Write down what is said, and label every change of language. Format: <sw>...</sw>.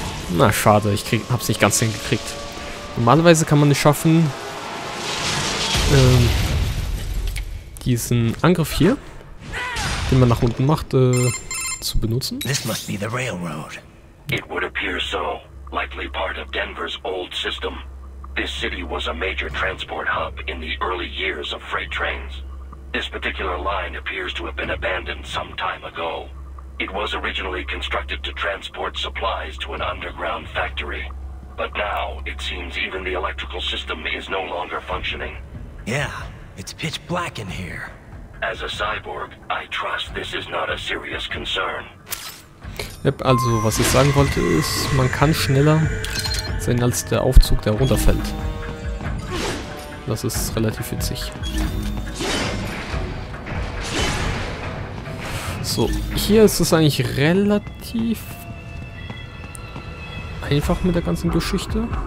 <de>Na schade, ich hab's nicht ganz hingekriegt. Normalerweise kann man es schaffen, diesen Angriff hier, den man nach unten macht, zu benutzen.</de> <en>This must be the railroad. It would appear so. Likely part of Denver's old system. This city was a major transport hub in the early years of freight trains. This particular line appears to have been abandoned some time ago. It was originally constructed to transport supplies to an underground factory. But now, it seems even the electrical system is no longer functioning. Yeah, it's pitch black in here. As a cyborg, I trust this is not a serious concern.</en> <de>Yep, also, was ich sagen wollte ist, man kann schneller sein als der Aufzug, der runterfällt. Das ist relativ witzig. So, hier ist es eigentlich relativ einfach mit der ganzen Geschichte.</de>